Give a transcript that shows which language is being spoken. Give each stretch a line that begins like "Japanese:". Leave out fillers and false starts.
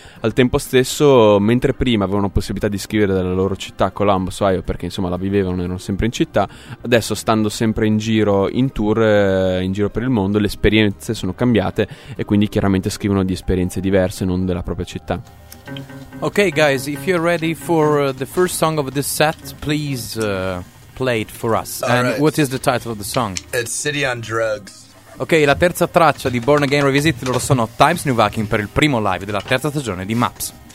Italian: al tempo stesso, mentre prima avevano possibilità di scrivere dalla loro città, Columbus, Ohio, perché insomma la vivevano, erano sempre in città, adesso stando sempre in giro in tour, in giro per il mondo, le esperienze sono cambiate e quindi chiaramente scrivono di esperienze diverse, non della propria città.
English: Ok guys, if you're ready for the first song of this set, please play it for us. All and right. What is the title of the song? It's City on Drugs.
Italian: Ok, la terza traccia di Born Again Revisit, loro sono Times New Viking per il primo live della terza stagione di MAPS.